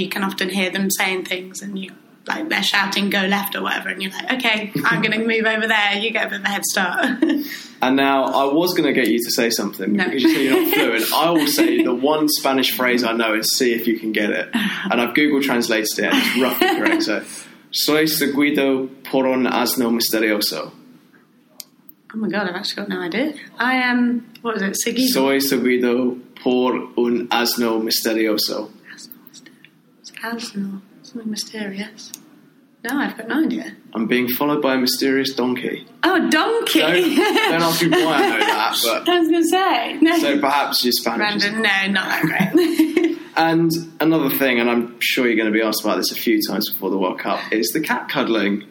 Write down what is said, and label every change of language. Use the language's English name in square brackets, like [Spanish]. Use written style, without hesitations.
[English] You can often hear them saying things, and you like they're shouting, go left or whatever, and you're like, okay, I'm going to move over there. You get a bit of a head start. And now, I was going to get you to say something, because you say you're not fluent. I will say the one Spanish phrase I know is, see if you can get it. And I've Google translated it, and it's roughly correct. [Spanish] So, soy seguido por un asno misterioso. [English] Oh my God, I've actually got no idea. I am, what was it, seguido? [Spanish] Soy seguido por un asno misterioso. [English] Asno, something mysterious. No, I've got no idea. I'm being followed by a mysterious donkey. Oh, donkey! Don't ask me why I know that. But I was going to say. No. So perhaps just Spanish. Random, no, not that great. And another thing, and I'm sure you're going to be asked about this a few times before the World Cup, is the cat cuddling.